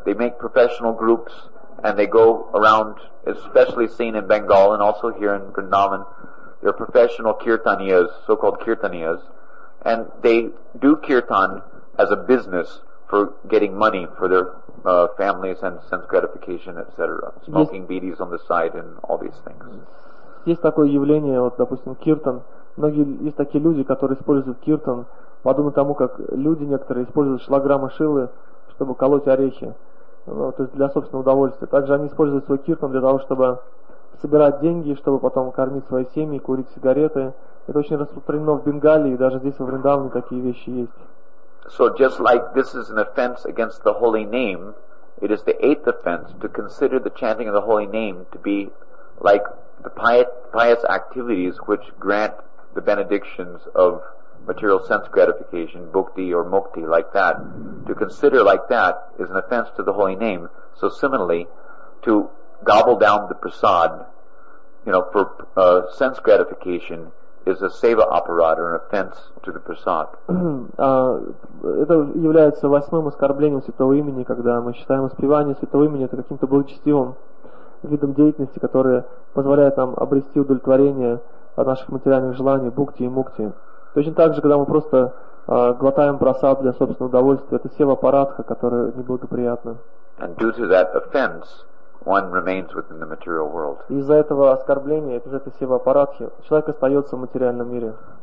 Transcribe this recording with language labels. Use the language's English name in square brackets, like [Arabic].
[English] They make professional groups and they go around, especially seen in Bengal and also here in Vrindavan. They're professional kirtaniyas, so-called kirtaniyas, and they do kirtan as a business for getting money for their families and sense gratification, etc. Smoking bidis on the side and all these things. [Russian] Есть такое явление, вот, допустим, киртан. Многие есть такие люди, которые используют киртан подобно тому, как люди некоторые используют шлаграма шилы, чтобы колоть орехи, ну, то есть для собственного удовольствия. Также они используют свой киртан для того, чтобы собирать деньги, чтобы потом кормить свои семьи, курить сигареты. Это очень распространено в Бенгалии, даже здесь во Вриндаване такие вещи есть. [English] So just like this is an offense against the holy name, it is the eighth offense to consider the chanting of the holy name to be like the pious activities which grant the benedictions of material sense gratification, bhakti or mukti, like that. To consider like that is an offense to the holy name. So similarly, to gobble down the prasad, you know, for sense gratification is a seva aparada, an offense to the prasad. [Russian] Это является восьмым оскорблением святого имени, когда мы считаем воспевание святого имени это каким-то благочестивым видом деятельности, которое позволяет нам обрести удовлетворение от наших материальных желаний, бхукти и мукти. Точно так же, когда мы просто глотаем прасад для собственного удовольствия, это сева парадха, которая неблагоприятна. [English] And due to that offense, one remains within the material world. [Russian] Из-за этого оскорбления, из-за этой сева парадхи, человек остается в материальном мире.